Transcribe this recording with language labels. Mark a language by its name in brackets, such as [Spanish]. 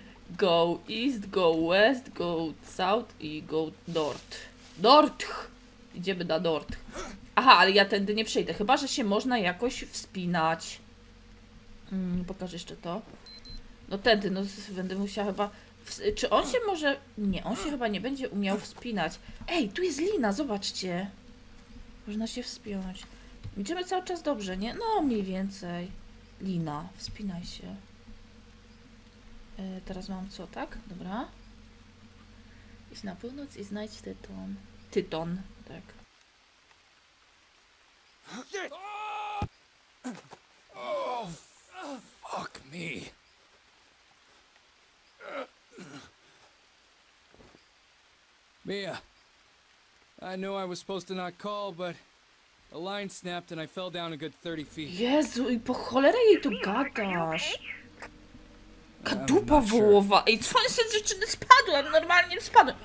[English] Go east, go west, go south i go north. [Polish] North! Idziemy na north. Aha, ale ja tędy nie przejdę. Chyba, że się można jakoś wspinać. Pokażę jeszcze to. No tędy, no będę musiała chyba... Czy on się może... Nie, on się chyba nie będzie umiał wspinać. Ej, tu jest lina, zobaczcie. Można się wspiąć. Idziemy cały czas dobrze, nie? No, mniej więcej. Lina, wspinaj się. Teraz mam co, tak? Dobra. Idź na północ i znajdź tytoń. Tytoń, tak. [English] Oh, fuck me. Mia, I know I was supposed to not call, but a line snapped and I fell down a good 30 feet. [Polish] Jezu, i po cholerę jej tu gadasz. Kadupa wołowa. Ej, twoje się z dziewczyny spadła, normalnie spadła.